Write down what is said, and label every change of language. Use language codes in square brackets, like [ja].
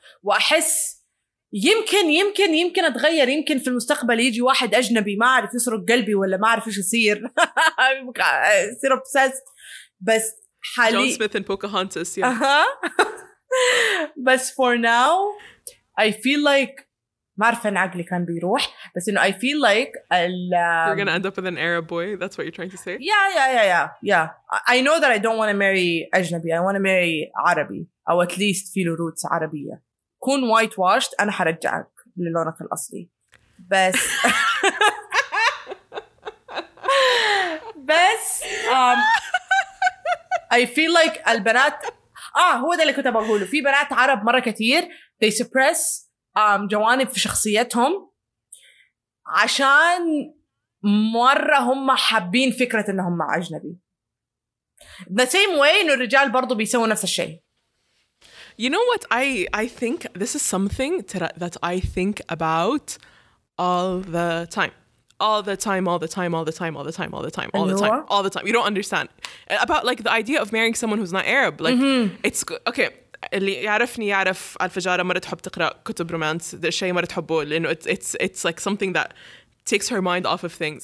[ar] وأحس يمكن يمكن يمكن أتغير، يمكن في المستقبل يجي واحد أجنبي ما أعرف يسرق قلبي ولا ما أعرف إيش يصير يصير obsessed. بس حالي [en] John Smith and Pocahontas yeah. [ar] بس [en] for now I feel like [ar] ما أعرف إن عقلي كان بيروح، بس إنه [en] I feel like you're gonna end up with an Arab boy. That's what you're trying to say. Yeah yeah yeah yeah yeah. I know that I don't want to marry أجنبي. I want to marry [ar] عربي أو [en] at least فيه roots عربية. [ar] كون white washed أنا حرجعك للونك الأصلي. بس بس [en] I feel like [ar] البنات هو ده اللي كنت بقوله. في بنات عرب مرة كتير [en] they suppress [ar] جوانب في شخصيتهم عشان مرة هم حابين فكرة انهم أجنبي. [en] The same way [ar] إنه الرجال برضو بيسووا نفس الشيء. [en] You know what I think this is something that I think about all the time. All the time, all the time, all the time, all the time, all the time, all the time, all the time. You don't understand. About like the idea of marrying someone who's not Arab. Like mm-hmm. it's okay. [ar] اللي يعرفني يعرف الفجارة مرة تحب تقرأ كتب رومانس، ده شيء مرة تحبه لأنه [en] it's like something that takes her mind off of things.